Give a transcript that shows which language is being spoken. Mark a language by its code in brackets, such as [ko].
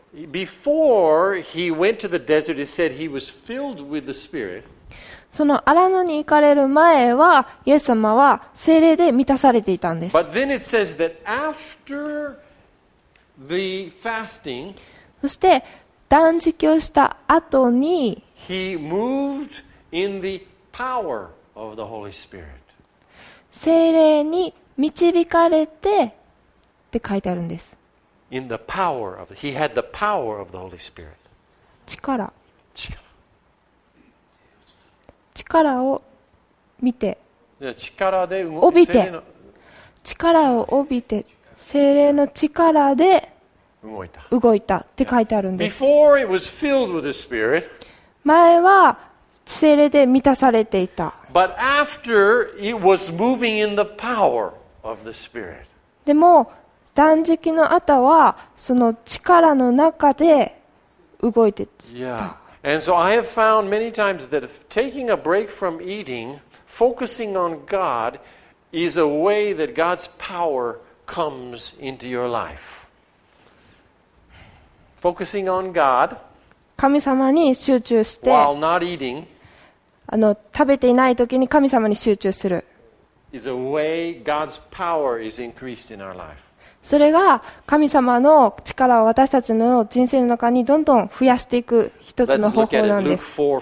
[en] Before he went to the desert, it said he was filled with the Spirit. [ja] その荒野に行かれる前は、イエス様は聖霊で満たされていたんです。 [en] But then it says that after the fasting, [ja] そして断食をした後に、 [en] he moved in the power of the Holy Spirit. [ja] 聖霊に導かれてって書いてあるんです。 [en] In the power of, he had the power of the Holy Spirit. [ja] 力。力。力を見て。力で動く。帯びて。力を帯びて、聖霊の力で動いたって書いてあるんです。 [en] Before it was filled with the Spirit. [ja] 前は聖霊で満たされていた。 [en] But after it was moving in the power of the Spirit. [ja] でも。断食の後はその力の中で動いてた。 [en] Yeah. And so I have found many times that taking a break from eating, focusing on God, is a way that God's power comes into your life. Focusing on God, [ja] 神様に集中して、 [en] while not eating, [ja] 食べていない時に神様に集中する、 [en] is a way God's power is increased in our life. [ja] それが神様の力を私たちの人生の中にどんどん増やしていく一つの方法なんです。